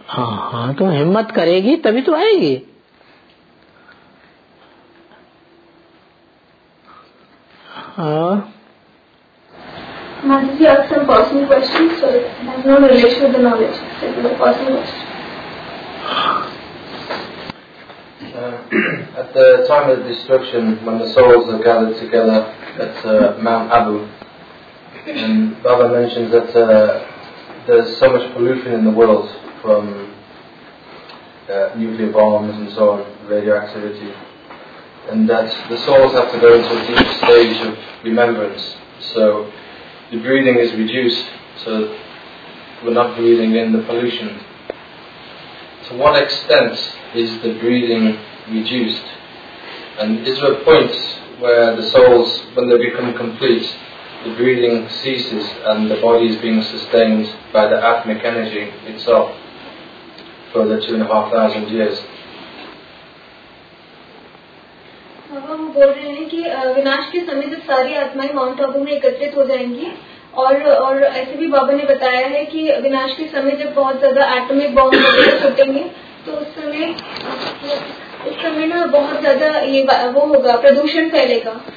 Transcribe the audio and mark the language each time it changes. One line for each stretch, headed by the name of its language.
Hindi: हाँ हाँ तो हिम्मत करेगी तभी तो आएगी
English: master
Hindi: आप
English: some personal question sorry I no relation with the knowledge
Hindi: सिर्फ
English: Personal At the time of destruction, when the souls are gathered together at Mount Abu, And Baba mentions that there's so much pollution in the world from nuclear bombs and so on, radioactivity, and that the souls have to go into a deep stage of remembrance. So the breathing is reduced, so we're not breathing in the pollution. To what extent is the breathing reduced? And is there a point where the souls, when they become complete, the breathing ceases and the body is being sustained by the atmic energy itself for the 2,500 years.
Hindi: Baba, वो बोल रहे हैं कि विनाश के समय जब सारी आत्माएं माउंट आबू में एकत्रित हो जाएंगी और ऐसे भी बाबा ने बताया है कि विनाश के समय जब बहुत ज्यादा एटमिक बॉम्ब वगैरह छूटेंगे तो उस समय ना बहुत ज्यादा ये वो होगा प्रदूषण फैलेगा